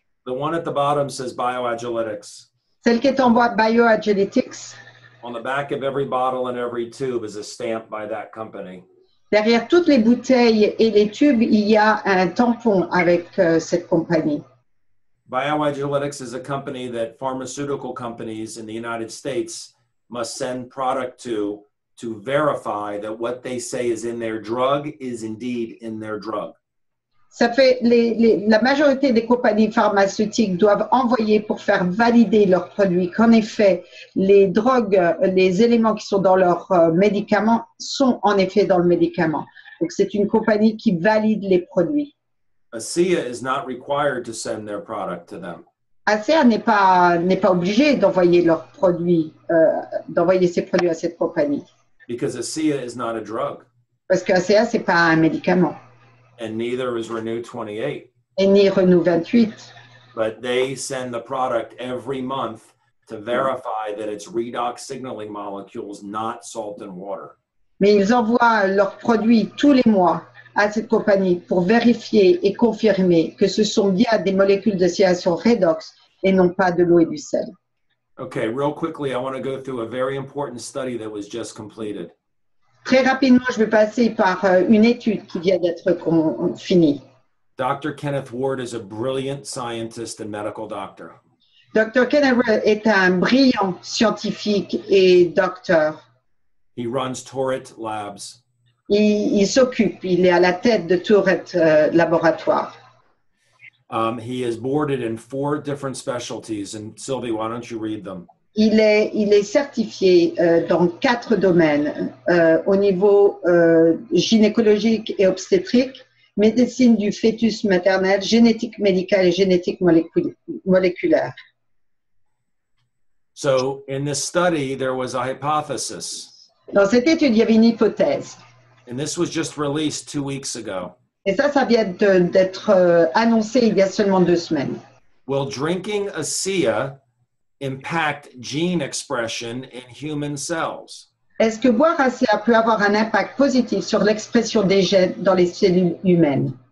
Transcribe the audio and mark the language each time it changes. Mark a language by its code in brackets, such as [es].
[en] The one at the bottom says bioagilitics. [fr] Celle qui est en bas, bioagilitics. [en] On the back of every bottle and every tube is a stamp by that company. [fr] Derrière toutes les bouteilles et les tubes, il y a un tampon avec cette compagnie. [en] Bioagiletics is a company that pharmaceutical companies in the United States must send product to verify that what they say is in their drug is indeed in their drug. [fr] Ça fait la majorité des compagnies pharmaceutiques doivent envoyer pour faire valider leurs produits qu'en effet les drogues, les éléments qui sont dans leurs médicaments sont en effet dans le médicament. Donc c'est une compagnie qui valide les produits. [en] ASEA is not required to send their product to them. [fr] ASEA n'est pas obligé d'envoyer leurs produits, d'envoyer ses produits à cette compagnie. [en] Because ASEA is not a drug. [fr] Parce qu'ASEA, ce n'est pas un médicament. [en] And neither is Renew 28. [fr] Et ni Renew 28. [en] But they send the product every month to verify that it's redox signaling molecules, not salt and water. [fr] Mais ils envoient leurs produits tous les mois à cette compagnie pour vérifier et confirmer que ce sont bien des molécules de signalisation redox et non pas de l'eau et du sel. [en] Okay, real quickly, I want to go through a very important study that was just completed. [fr] Très rapidement, je vais passer par une étude qui vient d'être finie. [en] Dr. Kenneth Ward is a brilliant scientist and medical doctor. [fr] Dr. Kenneth Ward est un brillant scientifique et docteur. [en] He runs Tourette Labs. [fr] Il s'occupe, il est à la tête de Tourette Laboratoire. [en] He is boarded in four different specialties, and Sylvie, why don't you read them? [fr] Il est certifié dans quatre domaines, au niveau gynécologique et obstétrique, médecine du fœtus maternel, génétique médicale et génétique moléculaire. [en] So, in this study, there was a hypothesis. [fr] Dans cette étude, il y avait une hypothèse. [en] And this was just released 2 weeks ago. [fr] Et ça vient d'être annoncé il y a seulement 2 semaines. [en] Will drinking ASEA impact gene expression in human cells? [fr] Est-ce que boire ASEA peut avoir un impact positif sur l'expression des gènes dans les cellules humaines?